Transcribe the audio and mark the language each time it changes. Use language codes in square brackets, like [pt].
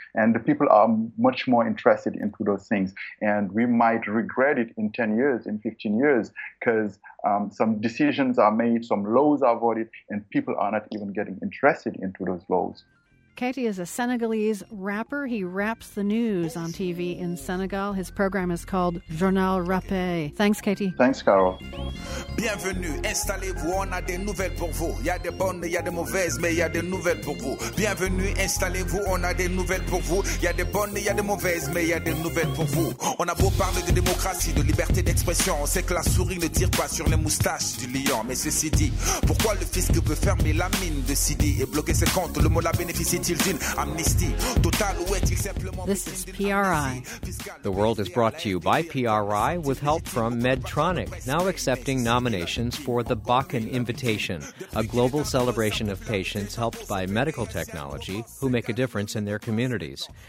[en] And the people are much more interested into those things. And we might regret it in 10 years, in 15 years, because some decisions are made, some laws are voted, and people are not even getting interested into those laws. Katie is a Senegalese rapper. He raps the news on TV in Senegal. His program is called Journal Rappé. Thanks, Katie. Thanks, Carol. [fr] Bienvenue, installez-vous, on a des nouvelles pour vous. Il y a des bonnes, il y a des mauvaises, mais il y a des nouvelles pour vous. Bienvenue, installez-vous, on a des nouvelles pour vous. Il y a des bonnes, il y a des mauvaises, mais il y a des nouvelles pour vous. On a beau parler de démocratie, de liberté d'expression. On sait que la souris ne tire pas sur les moustaches du lion. Mais ceci dit, pourquoi le fisc peut fermer la mine de Sidi et bloquer ses comptes? Le mot la bénéficie [en] This is PRI. The World is brought to you by PRI with help from Medtronic, now accepting nominations for the Bakken Invitation, a global celebration of patients helped by medical technology who make a difference in their communities.